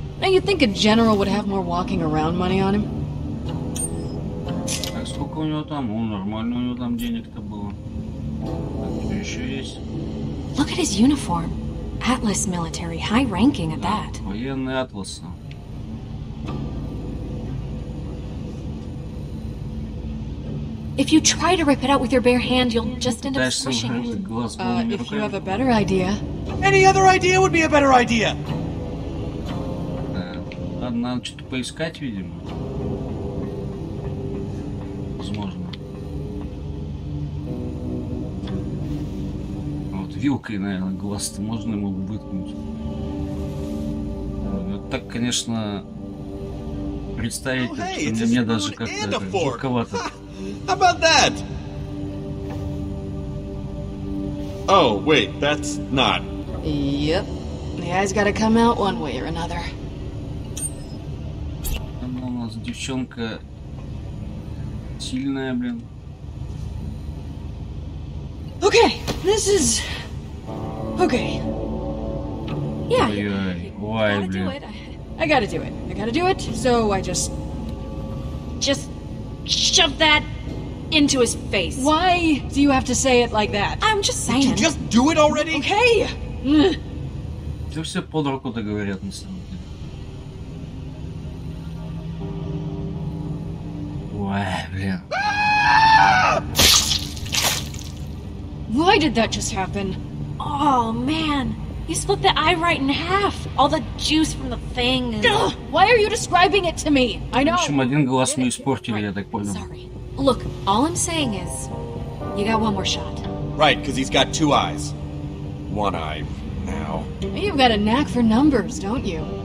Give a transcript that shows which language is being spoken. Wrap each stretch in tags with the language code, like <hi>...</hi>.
<en>Now you'd think a general would have more walking around money on him.</en> <ru>Сколько у него там? Нормально у него там денег-то было. Что еще есть?</ru> <en>Look at his uniform. Atlas military, high ranking at that.</en> <ru>Военный атлас.</ru> <en>If you try to rip it out with your bare hand, you'll just end up squishing it. If you have a better idea. Any other idea would be a better idea.</en> <ru>Ладно, надо что-то поискать, видимо. Вилкой, наверное, глаз-то можно ему выткнуть. Так, конечно, представить,</ru> <en>oh, hey,</en> <ru>что мне даже как-то жутковато.</ru> <en>How about that? Oh, wait, that's not. Yep. The eyes gotta come out one way or another.</en> <ru>Она у нас девчонка сильная, блин.</ru> <en>Okay, this is... Okay. Yeah.</en> <ru>Ой-ой-ой, блин.</ru> <en>I gotta do it. I gotta do it. So I just shove that into his face. Why do you have to say it like that? I'm just saying. Did you just do it already? Okay.</en> <ru>Ты все под руку договорят на самом деле. Ой, блин.</ru> <en>Why did that just happen? Oh man. You split the eye right in half. All the juice from the thing. Why are you describing it to me? I know.</en> <ru>В общем, один глаз мы испортили, я так понял.</ru> <en>Sorry. Look, all I'm saying is, you got one more shot. Right, because he's got two eyes. One eye now. You've got a knack for numbers, don't you?</en>